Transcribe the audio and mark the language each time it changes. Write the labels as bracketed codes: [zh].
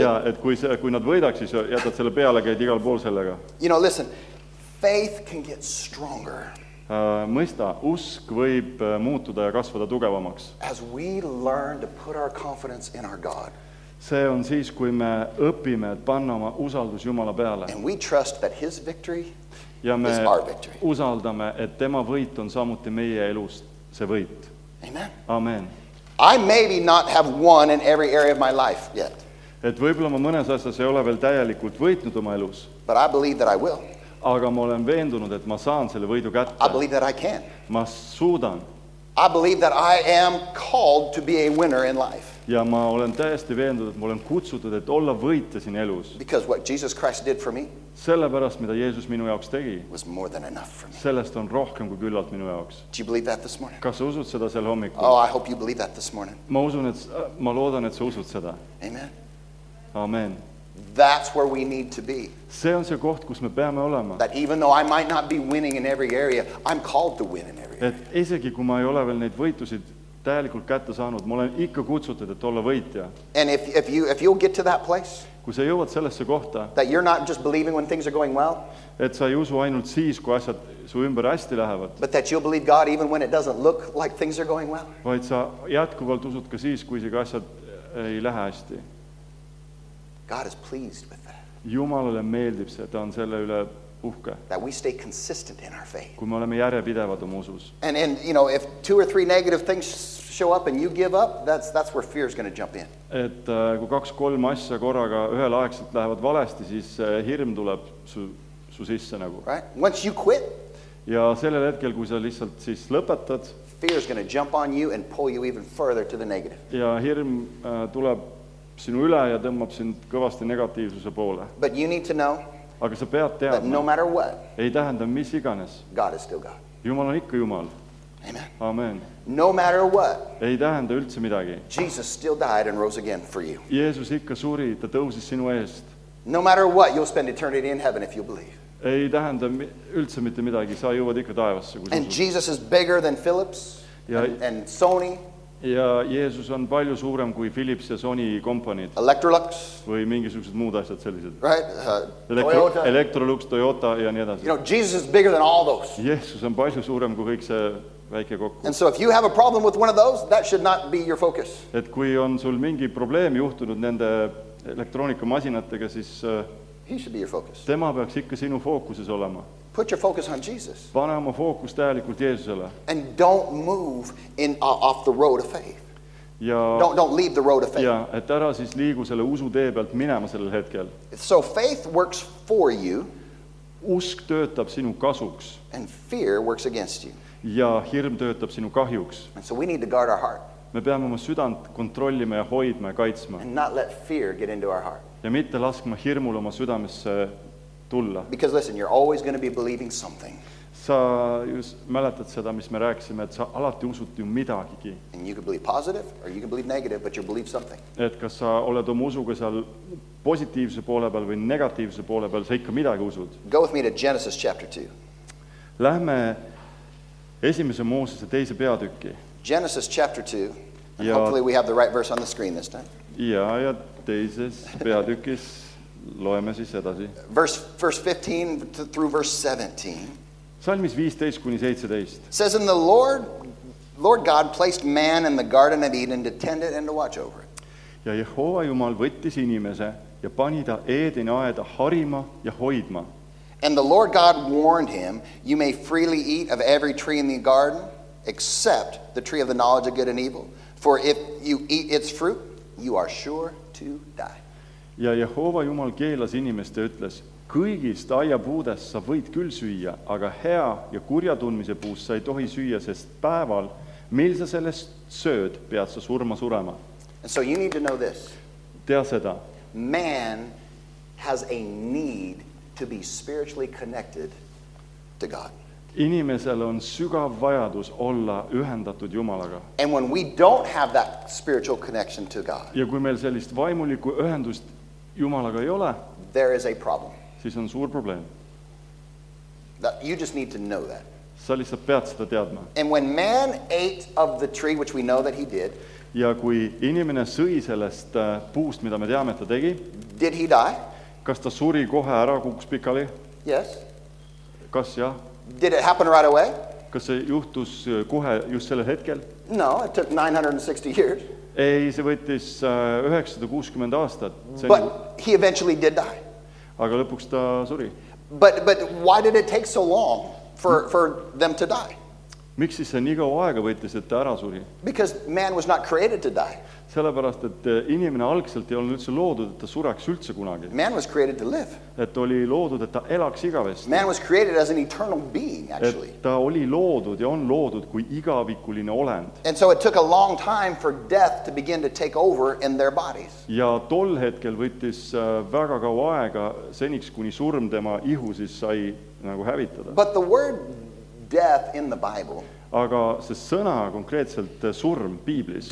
[et] Jaa, et kui nad võidaks, siis jätad selle peale, käid igal pool sellega. [en] You know, listen, faith can get stronger. [et] Mõista, usk võib muutuda ja kasvada tugevamaks. [en] As we learn to put our confidence in our God. [et] See on siis, kui me õpime, et panna oma usaldus Jumala peale. [en] And we trust that his victory [et] ja me [en] is our victory. [et] Usaldame, et tema võit on samuti meie elus see võit. [en] Amen. [et] Amen. [en] I maybe not have won in every area of my life yet. [et] Et võib-olla ma mõnes asjas ei ole veel täielikult võitnud oma elus. [en] But I believe that I will. [et] Aga ma olen veendunud, et ma saan selle võidu kätte. [en] I believe that I can. [et] Ma suudan. [en] I believe that I am called to be a winner in life. [et] Ja ma olen täiesti veendunud, et ma olen kutsutud, et olla võitja siin elus. [en] Because what Jesus Christ did for me, [et] sellepärast, mida Jeesus minu jaoks tegi, [en] was more than enough for me. [et] Sellest on rohkem kui küllalt minu jaoks. [en] Do you believe that this morning? [et] Kas sa usud seda sel hommikul? [en] Oh, I hope you believe that this morning. [et] Ma loodan, et sa usud seda. [en] Amen. [et] Amen. [en] That's where we need to be. [et] See on see koht, kus me peame olema. [en] That even though I might not be winning in every area, I'm called to win in every area. [et] Et isegi kui ma ei ole veel neid võitusid täielikult kätte saanud, ma olen ikka kutsutud, et olla võitja. [en] And if you'll get to that place, [et] kui sa jõuad sellesse kohta, [en] that you're not just believing when things are going well, [et] et sa ei usu ainult siis, kui asjad su ümber hästi lähevad, [en] but that you'll believe God even when it doesn't look like things are going well, [et] vaid sa jätkuvalt usud ka siis, kui isegi asjad ei lähe hästi. [en] God is pleased with that. [et] Jumalale meeldib see, ta on selle üle uhke. [en] That we stay consistent in our faith. [et] Kui me oleme järjepidevad oma usus. [en] And you know, if two or three negative things show up and you give up, that's where fear is going to jump in. [et] Et kui kaks kolm asja korraga ühel aegselt lähevad valesti, siis hirm tuleb su sisse nagu. [en] Right? Once you quit, [et] ja sellel hetkel, kui sa lihtsalt siis lõpetad, [en] fear is going to jump on you and pull you even further to the negative. [et] Ja hirm tuleb sinu üle ja tõmmab sind kõvasti negatiivsuse poole. [en] But you need to know, [et] aga sa pead teadma, [en] that no matter what, [et] ei tähenda mis iganes, [en] God is still God. [et] Jumal on ikka Jumal. [en] Amen. [et] Amen. [en] No matter what. [et] Ei tähenda üldse midagi. [en] Jesus still died and rose again for you. [et] Jeesus ikka suri, ta tõusis sinu eest. [en] No matter what, you'll spend eternity in heaven if you believe. [et] Ei tähenda üldse mitte midagi, sa jõuad ikka taevasse, kui sa. [en] And Jesus is bigger than Philips and Sony. [et] Ja Jeesus on palju suurem kui Philips ja Sony kompaniid. [en] Electrolux [et] või mingisugused muud asjad sellised. [en] Right? [et] Toyota. Electrolux, Toyota ja nii edasi. [en] You know, Jesus is bigger than all those. [et] Jeesus on palju suurem kui kõik see väike kokku. [en] And so if you have a problem with one of those, that should not be your focus. [et] Et kui on sul mingi probleem juhtunud nende elektroonika masinatega, siis [en] he should be your focus. [et] Tema peaks ikka sinu fookuses olema. [en] Put your focus on Jesus. [et] Pane oma fookus täielikult Jeesusele. [en] And don't move in off the road of faith. [et] Ja [en] don't leave the road of faith. [et] Ja et ära siis liigu selle usu tee pealt minema sellel hetkel. [en] So faith works for you. [et] Usk töötab sinu kasuks. [en] And fear works against you. [et] Ja hirm töötab sinu kahjuks. [en] And so we need to guard our heart. [et] Me peame oma südant kontrollima ja hoidma ja kaitsma. [en] And not let fear get into our heart. [et] Ja mitte laskma hirmul oma südamesse tulla. [en] Because listen, you're always going to be believing something. [et] Sa just mäletad seda, mis me rääkisime, et sa alati usud ju midagigi. [en] And you can believe positive or you can believe negative, but you believe something. [et] Et kas sa oled oma usuga seal positiivse poole peal või negatiivse poole peal, sa ikka midagi usud. [en] Go with me to Genesis chapter 2. [et] Lähme esimese Moosese teise peatükki. [en] Genesis chapter 2. [et] And ja hopefully we have the right verse on the screen this time. Ja teises peatükis loeme siis edasi. [en] Verse 15 through verse 17. [et] Salmis 15 kuni 17. [en] Says in the Lord God placed man in the garden of Eden to tend it and to watch over it. [et] Ja Jehova Jumal võttis inimese ja pani ta Eedeni aeda harima ja hoidma. [en] And the Lord God warned him, you may freely eat of every tree in the garden except the tree of the knowledge of good and evil. For if you eat its fruit, you are sure to die. [et] Ja Jehova Jumal keelas inimeste ütles, kõigist aiapuudest sa võid küll süüa, aga hea ja kurjatundmise puust sa ei tohi süüa, sest päeval, mil sa sellest sööd, pead sa surma surema. [en] And so you need to know this. [et] Tea seda. [en] Man has a need to be spiritually connected to God. [et] Inimesel on sügav vajadus olla ühendatud Jumalaga. [en] And when we don't have that spiritual connection to God. [et] Ja kui meil sellist vaimulikku ühendust Jumalaga ei ole, [en] there is a problem. [et] Siis on suur probleem. [en] That you just need to know that. [et] Sa lihtsalt pead seda teadma. [en] And when man ate of the tree which we know that he did, [et] ja kui inimene sõi sellest puust, mida me teame, et ta tegi, [en] did he die? [et] Kas ta suri kohe ära kukkus pikali? [en] Yes. [et] Kas ja? [en] Did it happen right away? [et] Kas see juhtus kohe just sellel hetkel? [en] No, it took 960 years. [et] Ei, see võttis 960 aastat. [en] But he eventually did die. [et] Aga lõpuks ta suri. [en] But why did it take so long for them to die? [et] Miks siis see nii kaua aega võttis, et ta ära suri? [en] Because man was not created to die. [et] Sellepärast, et inimene algselt ei olnud üldse loodud, et ta sureks üldse kunagi. [en] Man was created to live. [et] Et oli loodud, et ta elaks igavesti. [en] Man was created as an eternal being, actually. [et] Et ta oli loodud ja on loodud kui igavikuline olend. [en] And so it took a long time for death to begin to take over in their bodies. [et] Ja tol hetkel võttis väga kaua aega seniks, kuni surm tema ihu siis sai nagu hävitada. [en] But the word death in the Bible, [et] aga see sõna konkreetselt surm piiblis,